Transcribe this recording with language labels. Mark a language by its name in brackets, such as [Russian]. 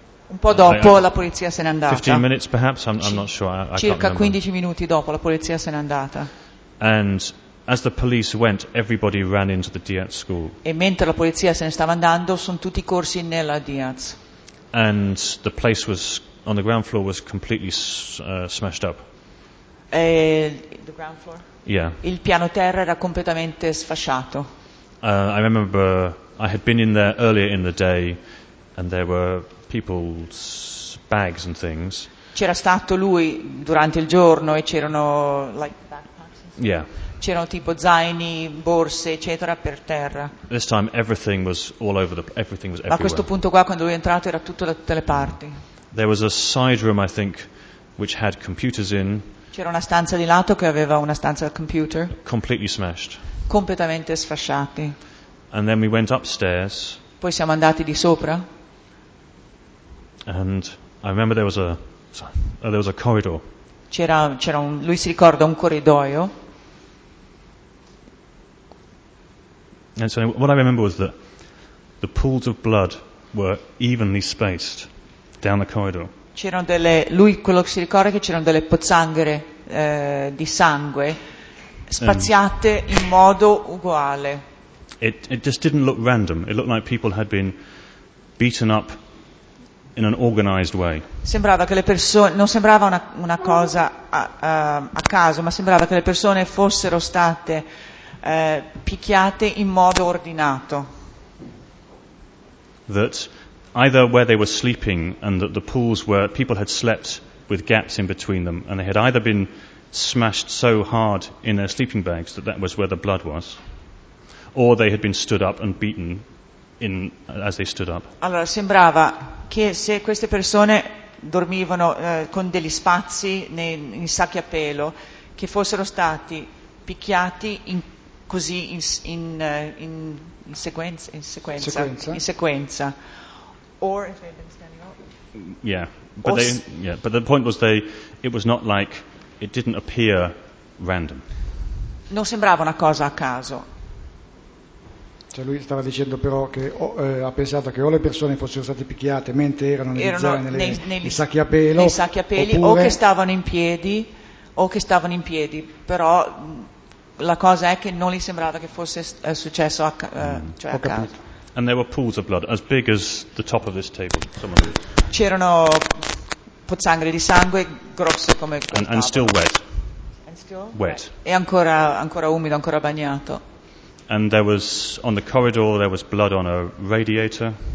[Italian] Un po' dopo la polizia se n'è andata. [English] 15 minutes perhaps, I'm not sure. [Italian] Circa 15 minuti dopo la polizia se n'è andata. [English] And as the police went, everybody ran into the Diaz school. [Italian] E mentre la polizia se ne stava andando, sono tutti corsi nella Diaz. [English] And the place was on the ground floor was completely smashed up. The ground floor? Yeah. [Italian] Il piano terra era completamente sfasciato. [English] I remember I had been in there earlier in the day, and there were people's bags and things. [Italian] C'era stato lui durante il giorno e c'erano [English] like backpacks. And stuff. Yeah. [Italian] C'erano tipo zaini, borse, eccetera, per terra. [English] This time everything was all over the everything was everywhere. [Italian] A questo punto qua, quando lui è entrato, era tutto da tutte le parti. [English] There was a side room, I think, which had computers in. [Italian] C'era una stanza di lato che aveva una stanza al computer. [English] Completely smashed. [Italian] Completamente sfasciati. [English] And then we went upstairs. [Italian] Poi siamo andati di sopra. [English] And I remember there was a corridor. [Italian] Lui si ricorda un corridoio. [English] And so what I remember was that the pools of blood were evenly spaced down the corridor. [Italian] C'erano delle lui quello che si ricorda è che c'erano delle pozzanghere di sangue spaziate in modo uguale. [English] It just didn't look random. It looked like people had been beaten up in an organized way. [Italian] Sembrava che le persone non sembrava una cosa a caso, ma sembrava che le persone fossero state picchiate in modo ordinato. [English] That either where they were sleeping and that the pools were people had slept with gaps in between them and they had either been smashed so hard in their sleeping bags that was where the blood was, or they had been stood up and beaten in as they stood up. [Italian] Allora sembrava che se queste persone dormivano con degli spazi in sacchi a pelo che fossero stati picchiati in così in sequenza. [English] Or if they'd been standing up. Yeah, but the point was it was not like it didn't appear random. [Italian] Non sembrava una cosa a caso. Cioè lui stava dicendo però che ha pensato che o le persone fossero state picchiate mentre erano nei sacchi a pelo oppure... o che stavano in piedi, però la cosa è che non gli sembrava che fosse successo a caso. [English] And there were pools of blood as big as the top of this table. [Italian] C'erano pozzanghere di sangue grosse come questo. [English] And still wet. [Italian] E ancora umido, ancora bagnato. [English] And there was on the corridor there was blood on a radiator.